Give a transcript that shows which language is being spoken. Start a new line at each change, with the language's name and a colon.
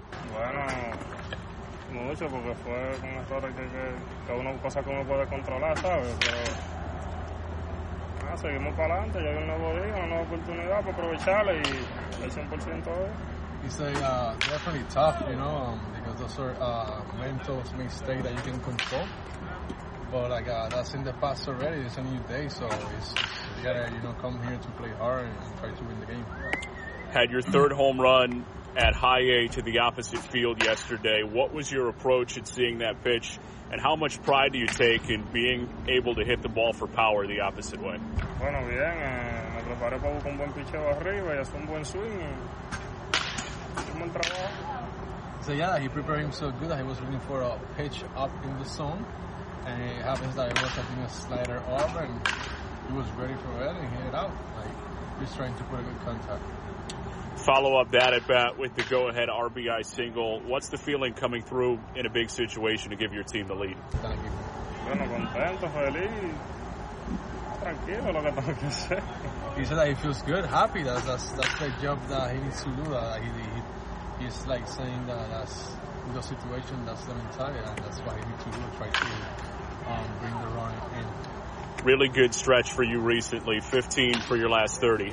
Spanish: Bueno, mucho, porque fue una historia que uno cosa que uno puede controlar, ¿sabes? Pero seguimos para adelante. Ya hay un nuevo día, una nueva oportunidad para aprovecharla y el 100%.
English: You say definitely tough, you know, because those are mental mistakes that you can control. But like that's in the past already. It's a new day, so you gotta, you know, come here to play hard and try to win the game. Had your third home run at high A to the opposite field yesterday. What was your approach at seeing that pitch, and how much pride do you take in being able to hit the ball for power the opposite way?
Spanish: Bueno, bien. Me preparé para buscar un buen picheo arriba y hacer un buen swing.
English: So yeah, he prepared him so good that he was looking for a pitch up in the zone, and it happens that it was having a slider up, and he was ready for it and hit it out. Like, he's trying to put a good contact. Follow up that at bat with the go-ahead RBI single. What's the feeling coming through in a big situation to give your team the lead? Thank you.
Spanish: Bueno, contento, feliz, tranquilo, lo que tengo que hacer.
English: He said that he feels good, happy. That's the job that he needs to do. He's like saying that that's the situation, that's the mentality, and that's why he needs to try to bring the run in. Really good stretch for you recently, 15 for your last 30.